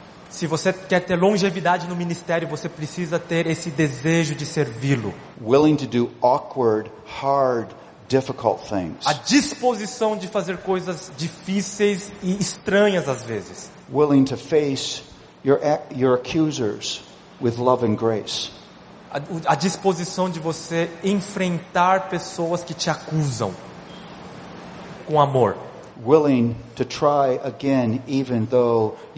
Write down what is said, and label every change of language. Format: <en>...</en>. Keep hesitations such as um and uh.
<pt>se você quer ter longevidade no ministério, você precisa ter esse desejo de servi</pt> <en>Willing to do awkward, hard, difficult things.</en> <pt>A disposição de fazer coisas difíceis e estranhas às vezes.</pt> <en>Willing to face your your accusers with love and grace.</en> <pt>a disposição de você enfrentar pessoas que te acusam com amor</pt> <en>willing to try again even though</en>